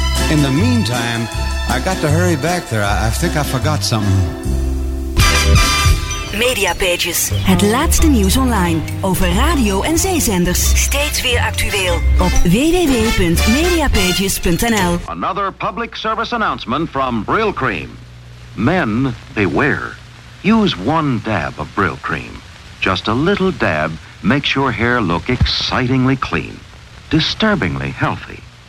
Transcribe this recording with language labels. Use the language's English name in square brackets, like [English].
[English] In the meantime, I got to hurry back there. I think I forgot something. Media Pages. [Dutch] Het laatste nieuws online over radio en zeezenders. Steeds weer actueel op www.mediapages.nl. [English] Another public service announcement from Brill Cream. Men, beware. Use one dab of Brill Cream. Just a little dab makes your hair look excitingly clean, disturbingly healthy.